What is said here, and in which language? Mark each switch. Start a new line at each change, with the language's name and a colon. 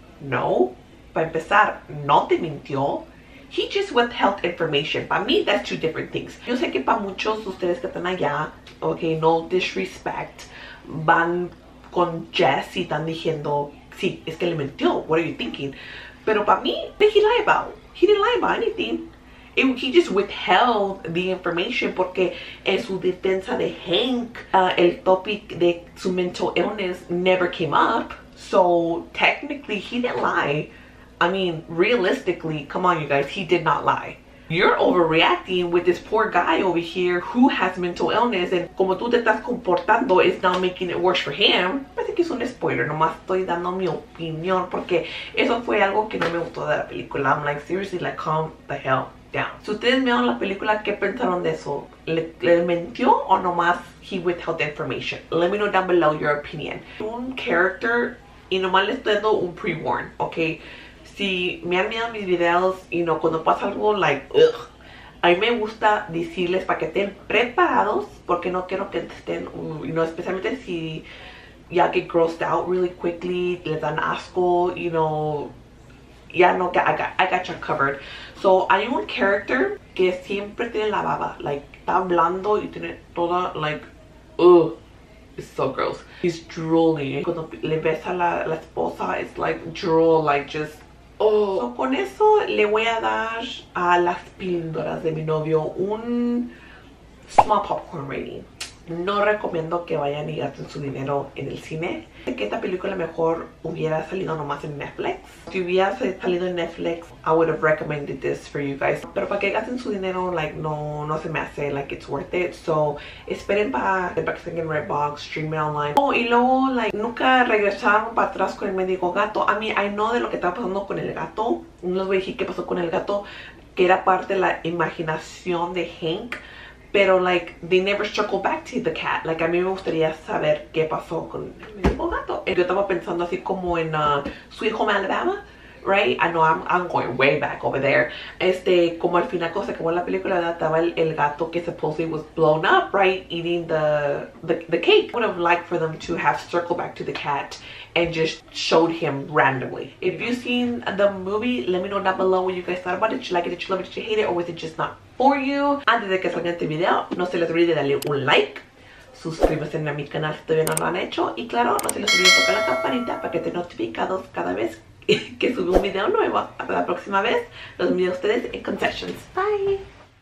Spanish: No, para empezar, no te mintió.
English: He just withheld information.
Spanish: Para mí,
English: that's two different things.
Spanish: Yo sé que para muchos de ustedes que están allá, okay,
English: no disrespect,
Spanish: van con Jess y están diciendo, sí, es que le mintió.
English: What are you thinking?
Spanish: Pero para mí,
English: what did he lie about? He didn't lie about anything. He just withheld the information
Spanish: porque en su defensa de Hank, el topic de su
English: mental illness never came up. So technically, he didn't lie. I mean, realistically, come on, you guys, he did not lie. You're overreacting with this poor guy over here who has mental illness, and
Spanish: como tú te estás comportando,
English: it's not making it worse for him.
Spanish: Parece que es un spoiler, nomás estoy dando mi opinión porque eso fue algo que no me gustó de la película.
English: I'm like, seriously, like, calm the hell down.
Spanish: Si ustedes vieron la película, ¿qué pensaron de eso? ¿Le mentió o nomás
English: he withheld the information? Let me know down below your opinion.
Spanish: Un character, y nomás le estoy dando un pre-warn, okay? Si me han mirado mis videos y no, cuando pasa algo, like, ugh, a mí me gusta decirles para que estén preparados porque no quiero que estén, you know, especialmente si ya
English: get grossed out really quickly,
Spanish: les dan asco, you know, ya no,
English: I got you covered.
Spanish: So, hay un character que siempre tiene la baba, like, está hablando y tiene toda, like, ugh.
English: It's so gross. He's drooling.
Spanish: Cuando le besa la esposa,
English: it's like drool, like just, oh.
Spanish: So, con eso le voy a dar a las píldoras de mi novio un
English: small popcorn rating.
Spanish: No recomiendo que vayan y gasten su dinero en el cine. Sé que esta película mejor hubiera salido nomás en Netflix.
English: Si hubiera salido en Netflix, I would have recommended this for you guys.
Spanish: Pero para que gasten su dinero, like, no se me hace, like,
English: it's worth it.
Spanish: So, esperen para que estén en Redbox,
English: stream it online.
Spanish: Oh, y luego, like, nunca regresaron para atrás con el mendigo gato.
English: I mean, I know
Spanish: de lo que estaba pasando con el gato. No les voy a decir qué pasó con el gato, que era parte de la imaginación de Hank.
English: Pero, like, they never struggle back to the cat.
Spanish: Like, a mí me gustaría saber qué pasó con el mismo gato. Yo estaba pensando así como en Sweet Home Alabama, right?
English: I know I'm going way back over there.
Spanish: Este, como al final cuando se acabó la película, estaba el gato que
English: supposedly was blown up, right? Eating the cake. I would have liked for them to have circled back to the cat and just showed him randomly. If you've seen the movie, let me know down below what you guys thought about it. Did you like it? Did you love it? Did you hate it? Or was it just not for you?
Spanish: Antes de que salga este video, no se les olvide darle un like, suscríbanse a mi canal si todavía no lo han hecho, y claro, no se les olvide tocar la campanita para que estén notificados cada vez que sube un video nuevo. Hasta la próxima vez, los miro a ustedes en Concessions. Bye!